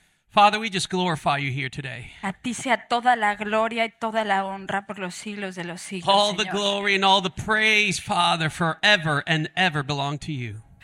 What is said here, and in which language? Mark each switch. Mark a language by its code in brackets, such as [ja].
[en] Father, we just glorify you here today. [es] A ti sea toda la gloria y toda la honra por los siglos de los siglos, [en] All [es] Señor. [en] The glory and all the praise, Father, forever and ever belong to you.